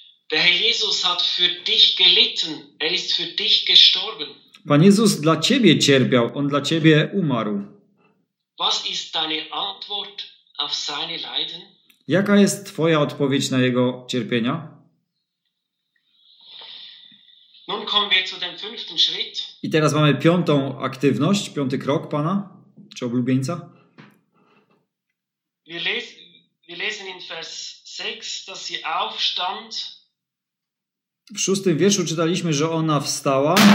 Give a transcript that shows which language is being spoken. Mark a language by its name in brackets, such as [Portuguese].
[German] Der Herr Jesus hat für dich gelitten. Er ist für dich gestorben. [Polish] Pan Jezus dla ciebie cierpiał, on dla ciebie umarł. [German] Was ist deine Antwort auf seine Leiden? [Polish] Jaka jest twoja odpowiedź na jego cierpienia? [German] Nun kommen wir zu dem fünften Schritt. [Polish] I teraz mamy piątą aktywność, piąty krok Pana, czy oblubieńca. [German] Wir lesen in Vers 6, dass sie aufstand. [Polish] W szóstym wierszu czytaliśmy, że ona wstała.